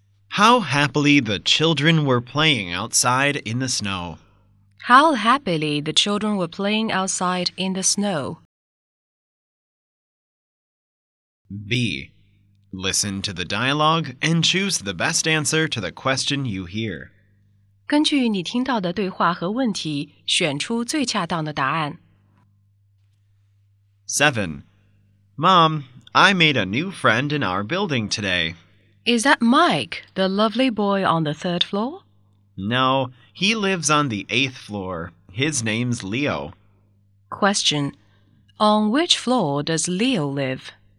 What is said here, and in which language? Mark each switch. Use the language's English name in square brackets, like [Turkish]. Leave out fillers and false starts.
[English] How happily the children were playing outside in the snow. How happily the children were playing outside in the snow. B. Listen to the dialogue and choose the best answer to the question you hear. [Chinese] 根据你听到的对话和问题，选出最恰当的答案。 [English] 7. Mom, I made a new friend in our building today. Is that Mike, the lovely boy on the third floor? No, he lives on the eighth floor. His name's Leo. Question. On which floor does Leo live?